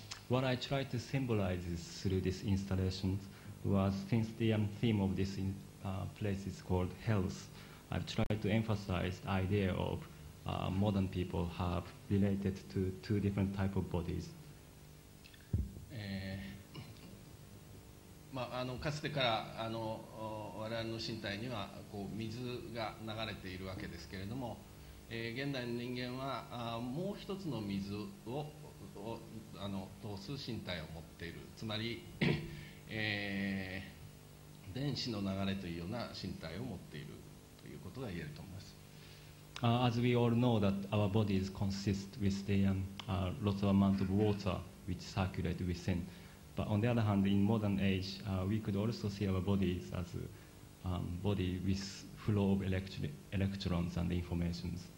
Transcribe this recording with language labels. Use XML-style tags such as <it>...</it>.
<en>What I tried to symbolize through this installation was since the theme of this place is called health. I've tried to emphasize the idea of modern people have related to two different type of bodies.</en> <ja>まあかつてから我々の身体にはこう水が流れているわけですけれども、現代の人間はもう一つの水を通す身体を持っている。つまり電子の流れというような身体を持っている。ということが言えると思います。</ja> <en>As we all know that our bodies consist with the lots of amount of water which circulate within. But on the other hand, in modern age, we could also see our bodies as body with flow of electrons and information.</en>